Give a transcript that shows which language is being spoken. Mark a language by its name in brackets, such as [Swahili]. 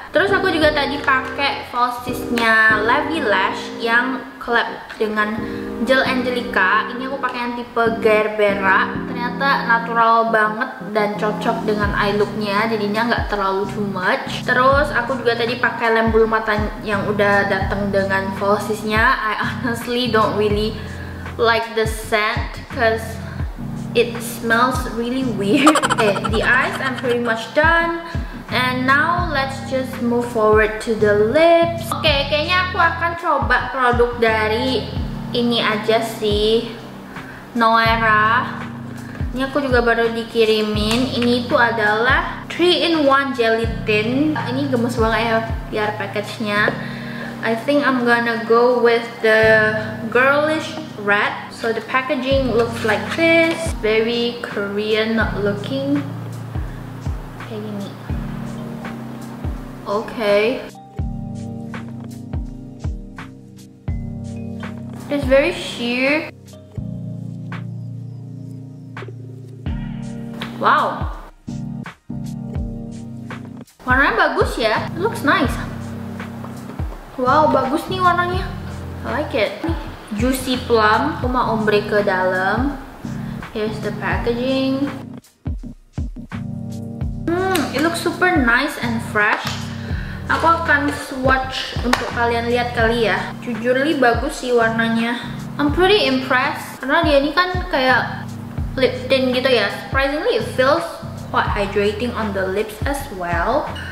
[Indonesian] Terus aku juga tadi pakai falsies-nya Lavvy Lash yang collab dengan Gel Angelica. Ini aku pakai yang tipe Gerbera. Ternyata natural banget dan cocok dengan eye look-nya, jadinya nggak terlalu too much. Terus aku juga tadi pakai lem bulu mata yang udah datang dengan falsies-nya. [English] I honestly don't really like the scent because it smells really weird. Okay, the eyes I'm pretty much done. And now let's just move forward to the lips. [Indonesian] Okay, kayaknya aku akan coba produk dari ini aja sih, Noera. Ini aku juga baru dikirimin. Ini tuh adalah 3-in-1 jelly tint. Ini gemes banget ya PR package-nya. [English] I think I'm gonna go with the girlish red. So the packaging looks like this. Very Korean looking. [Indonesian] Kayak gini. [English] Okay. It's very sheer. Wow. [Indonesian] Warnanya bagus ya. [English] It looks nice. [Indonesian] Wow, bagus nih warnanya. [English] I like it. [Indonesian] Juicy plum. Aku mau ombre ke dalam. [English] Here's the packaging. It looks super nice and fresh. [Indonesian] Aku akan swatch untuk kalian lihat kali ya. Jujur li bagus sih warnanya. [English] I'm pretty impressed. [Indonesian] Karena dia ini kan kayak lip tint gitu ya. [English] Surprisingly it feels quite hydrating on the lips as well.